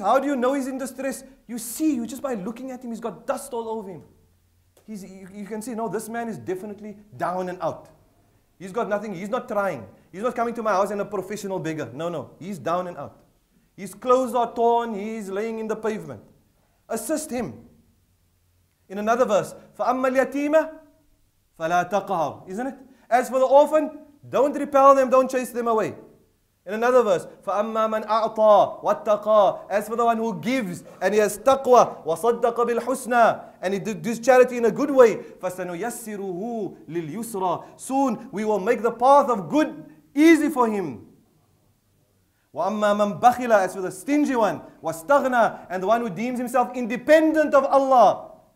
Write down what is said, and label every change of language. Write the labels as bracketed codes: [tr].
[en] How do you know he's in distress? You see, you just by looking at him, he's got dust all over him. You can see, no, this man is definitely down and out. He's got nothing. He's not trying. He's not coming to my house and a professional beggar. No, no. He's down and out. His clothes are torn. He's laying in the pavement. Assist him. In another verse, [ar] فَأَمَّا الْيَتِيمَ فَلَا تَقْهَرْ. [en] Isn't it? As for the orphan, don't repel them. Don't chase them away. In another verse, [ar] فَأَمَّا مَنْ أَعْطَى وَاتَّقَى. [en] As for the one who gives and he has taqwa, [ar] وَصَدَّقَ بِالْحُسْنَى. [en] And he does charity in a good way. [ar] فَسَنُيَسِّرُهُ لِلْيُسْرَى. [en] Soon we will make the path of good easy for him. [ar] وَأَمَّا مَنْ بَخِلَى. [en] As for the stingy one, [ar] وَاسْتَغْنَى. [en] And the one who deems himself independent of Allah.